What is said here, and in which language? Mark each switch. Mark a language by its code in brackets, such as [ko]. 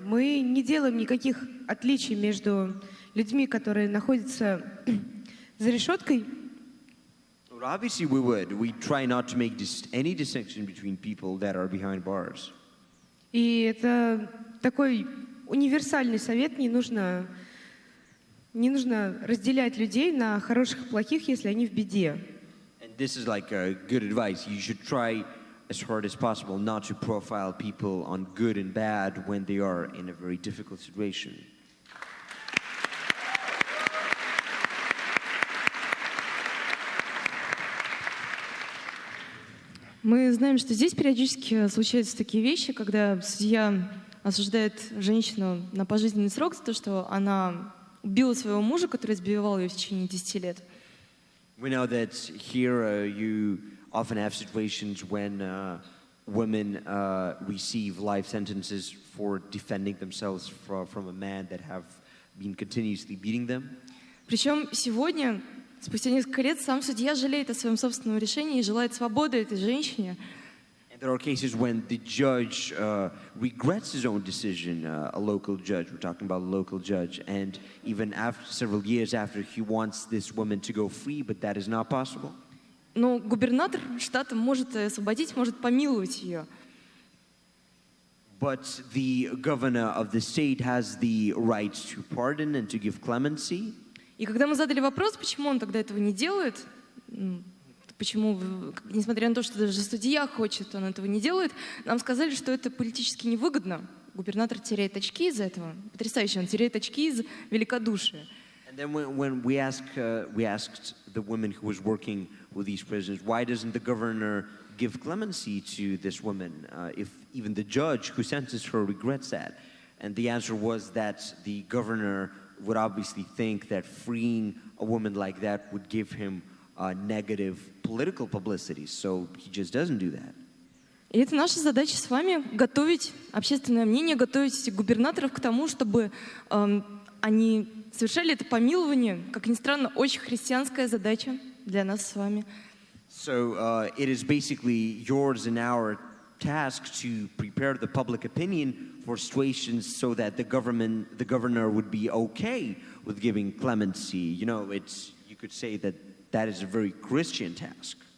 [ru] Мы не делаем никаких отличий между людьми, которые находятся за решеткой. [en] Well, obviously we would. We try not to make any distinction between people that are behind bars. [ru] И это такой универсальный совет. Не нужно разделять людей на хороших и плохих, если они в беде. [en] this is like a good advice. You should try as hard as possible not to profile people on good and bad when they are in a very difficult situation. [ru] Мы знаем, что здесь периодически случаются такие вещи, когда судья осуждает женщину на пожизненный срок за то, что она убила своего мужа, который избивал ее в течение 10 лет. [en] We know that here you often have situations when women receive life sentences for defending themselves from a man that have been continuously beating them. [ru] Причем сегодня, спустя несколько лет, сам судья жалеет о своем собственном решении и желает свободы этой женщине. [en] And there are cases when the judge regrets his own decision, a local judge, we're talking about a local judge, and even after several years after, he wants this woman to go free, but that is not possible. [ru] Но губернатор штата может освободить, может помиловать ее. [en] But the governor of the state has the right to pardon and to give clemency. [ru] И когда мы задали вопрос, почему он тогда этого не делает, почему, несмотря на то, что даже судья хочет, он этого не делает, нам сказали, что это политически невыгодно. Губернатор теряет очки из-за этого. Потрясающе, он теряет очки из-за великодушия. [en] And then when we asked the woman who was working with these prisoners, why doesn't the governor give clemency to this woman, if even the judge who sentenced her regrets that? And the answer was that the governor would obviously think that freeing a woman like that would give him negative political publicity, so he just doesn't do that. [ru] И это наша задача с вами — готовить общественное мнение, готовить губернаторов к тому, чтобы они совершали это помилование. Как ни странно, очень христианская задача для нас с вами. [en] So it is basically yours and our task to prepare the public opinion for situations so that the governor would be okay with giving clemency. You know, it's, you could say that that is a very Christian task.